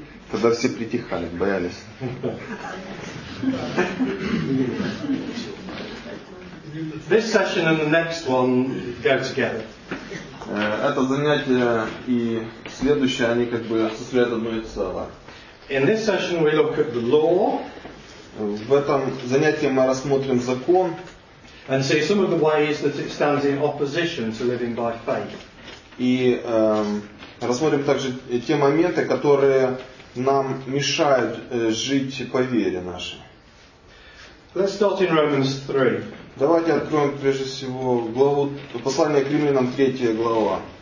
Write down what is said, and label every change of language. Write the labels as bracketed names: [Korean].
[Russian] Тогда все притихали, боялись. [English] This session and the next one go together. [Russian] Это занятие и следующее, они как бы составляют одно и целое. [English] In this session we look at the law. [Russian] В этом занятии мы рассмотрим закон. [English] And see some of the ways that it stands in opposition to living by faith. [Russian] И рассмотрим также те моменты, которые нам мешают жить по вере нашей. [English] Let's start in Romans 3. [Russian] Давайте откроем прежде всего главу послание к Римлянам 3 глава.